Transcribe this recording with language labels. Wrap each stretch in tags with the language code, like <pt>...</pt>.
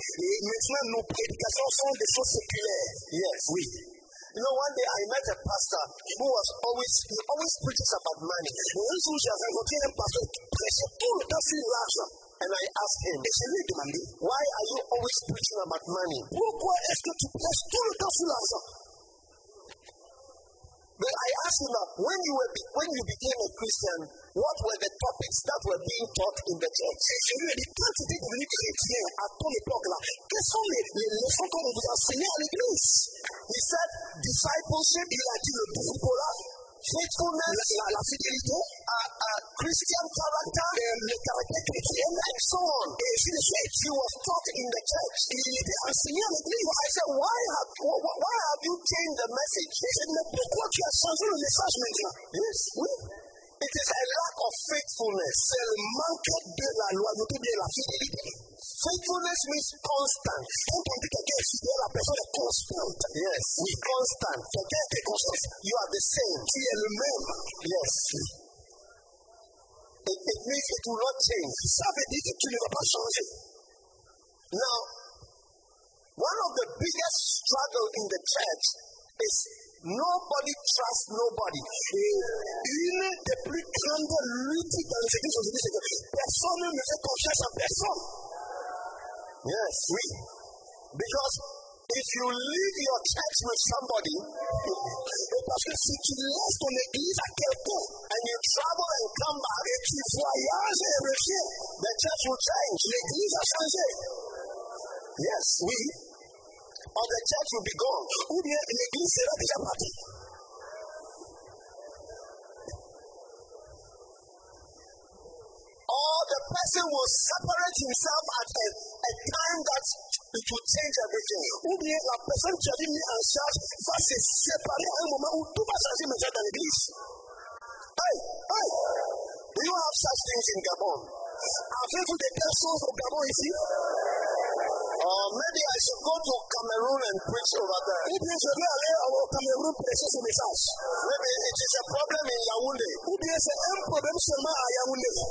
<fr>Et maintenant nos prédications sont des choses séculaires.</fr> <en>Yes.</en> <fr>Oui.</fr> <en>You know, one day I met a pastor who was always, he always preaches about money.</en> <fr>Un jour j'ai rencontré un pasteur qui prêchait tout le temps sur l'argent.</fr> <en>And I asked him,</en> <fr>et je lui ai demandé,</fr> <en>why are you always preaching about money?</en> <fr>Pourquoi est-ce que tu prêches tout le temps sur l'argent?</fr> <en>But I asked him, when you became a Christian, what were the topics that were being taught in the church?</en> <fr>Et je lui ai dit, quand tu étais devenu chrétien à ton époque là, quelles sont les leçons qu'on vous a enseignées à l'église?</fr> <en>He said, discipleship,</en> <fr>il a dit le discipleship.</fr> <en>Faithfulness,</en> <fr>la fidélité,</fr> <en>a Christian character,</en> <fr>le caractère chrétien,</fr> <en>and so on.</en> <fr>Et si le fait,</fr> <en>he was taught in the church.</en> <fr>Il était enseigné à l'église.</fr> <en>I said, why have you changed the message?</en> <fr>Il dit, mais pourquoi tu as changé le message maintenant?</fr> <en>Yes,</en> <fr>oui.</fr> <en>It is a lack of faithfulness.</en> <fr>C'est le manque de la loyauté, de la fidélité.</fr> <en>Faithfulness means constant.</en> <fr>Quand on dit quelqu'un est fidèle, la personne est constante.</fr> <en>Yes.</en> <fr>Oui.</fr> <en>Constant.</en> <fr>Quelqu'un est constant.</fr> <en>You are the same.</en> <fr>Tu es le même.</fr> <en>Yes. It means it will not change.</en> <fr>Ça veut dire que tu ne vas pas changer.</fr> <en>Now, one of the biggest struggles in the church is nobody trusts nobody.</en> <fr>Une des plus grandes luttes dans les églises aujourd'hui, c'est que personne ne fait confiance à personne.</fr> <en>Yes,</en> <fr>oui.</fr> <en>Because if you leave your church with somebody,</en> <fr>parce que si tu laisses ton église à quelqu'un,</fr> <en>and you travel and come back,</en> <fr>et tu voyages et reviens,</fr> <en>the church will change.</en> <fr>L'église a changé.</fr> <en>Yes,</en> <fr>oui.</fr> <en>Or the church will be gone.</en> <fr>Ou bien l'église sera déjà partie.</fr> <en>Or the person will separate himself at a time that it will change everything.</en> <fr>Ou bien la personne qui a été mise en charge va se séparer à un moment où tout va changer maintenant dans l'église.</fr> <en>Hey, hey! Do you have such things in Gabon?</en> <fr>Avez-vous des personnes au Gabon ici?</fr> <en>Maybe I should go to Cameroon and preach over there.</en> <fr>Ou bien je vais aller au Cameroun prêcher ce message.</fr> <en>Maybe it is a problem in Yaoundé.</en> <fr>Ou bien c'est un problème seulement à Yaoundé.</fr>